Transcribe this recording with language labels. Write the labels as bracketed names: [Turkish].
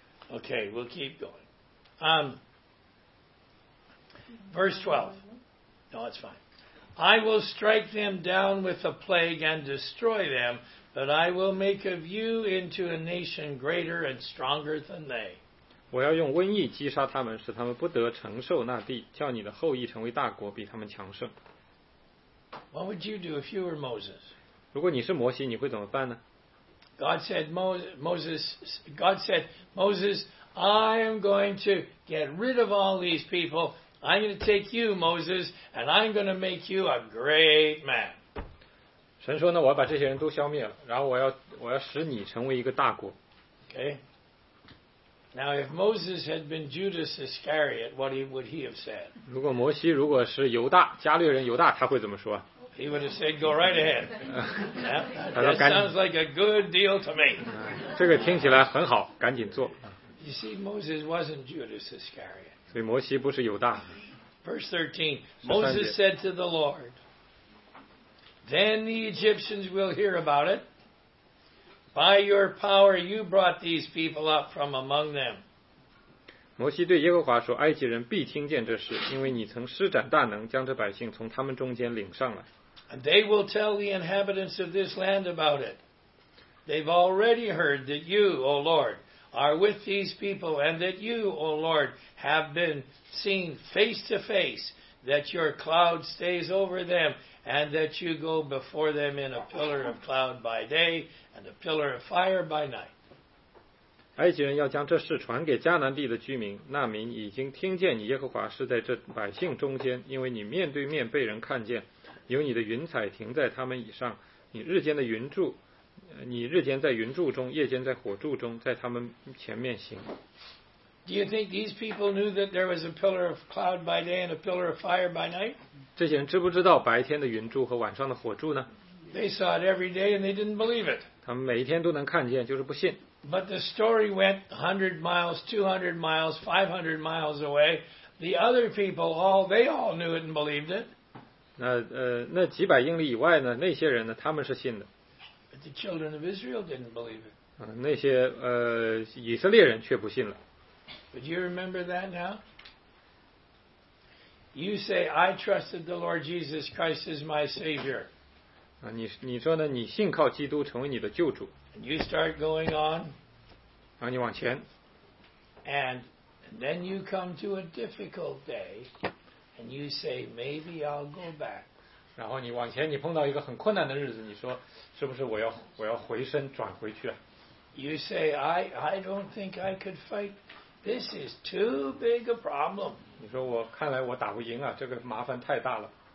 [English] Okay, we'll keep going. Verse 12. No, it's fine. I will strike them down with a plague and destroy them, but I will make of you into a nation greater and stronger than they. [Chinese] 我要用瘟疫击杀他们，使他们不得承受那地，叫你的后裔成为大国，比他们强盛。 [English] What would you do if you were Moses? [Chinese] 如果你是摩西，你会怎么办呢 [English] God said, Moses, I am going to get rid of all these people. I'm going to take you, Moses, and I'm going to make you a great man. [Chinese] 神说呢，我要把这些人都消灭了，然后我要使你成为一个大国。 [English] Okay. Now, if Moses had been Judas Iscariot, what would he have said? [Chinese] 如果摩西如果是犹大加略人犹大，他会怎么说？ [English] He would have said, "Go right ahead." That sounds like a good deal to me. [Chinese] 这个听起来很好，赶紧做。 [English] You see, Moses wasn't Judas Iscariot. [Chinese] 所以摩西不是犹大。 [English] Verse 13, Moses said to the Lord, "Then the Egyptians will hear about it. By your power, you brought these people up from among them." [Chinese] 摩西对耶和华说，埃及人必听见这事，因为你曾施展大能，将这百姓从他们中间领上来。 [English] And they will tell the inhabitants of this land about it. They've already heard that you, O Lord, are with these people, and that you, O Lord, have been seen face to face, that your cloud stays over them, and that you go before them in a pillar of cloud by day, and a pillar of fire by night. [Chinese] 埃及人要将这事传给迦南地的居民，那民已经听见你耶和华是在这百姓中间，因为你面对面被人看见。有你的云彩停在他们以上，你日间在云柱中，夜间在火柱中，在他们前面行。 [English] Do you think these people knew that there was a pillar of cloud by day and a pillar of fire by night? [Chinese] 这些人知不知道白天的云柱和晚上的火柱呢？ [English] They saw it every day and they didn't believe it. [Chinese] 他们每一天都能看见，就是不信。 [English] But the story went 100 miles, 200 miles, 500 miles away. The other people, they all knew it and believed it. [Chinese] 那几百英里以外呢，那些人呢，他们是信的。 [English] But the children of Israel didn't believe it. [Chinese] 那些以色列人却不信了。 [English] But you remember that now? You say, I trusted the Lord Jesus Christ as my Savior. [Chinese] 你说呢，你信靠基督成为你的救主。 [English] And you start going on. [Chinese] 然后你往前。 [English] And then you come to a difficult day. And you say, maybe I'll go back. [Chinese] 然后你往前，你碰到一个很困难的日子，你说，是不是我要回身转回去？ [English] You say, I don't think I could fight. This is too big a problem. [Chinese] 你说我看来我打不赢啊，这个麻烦太大了。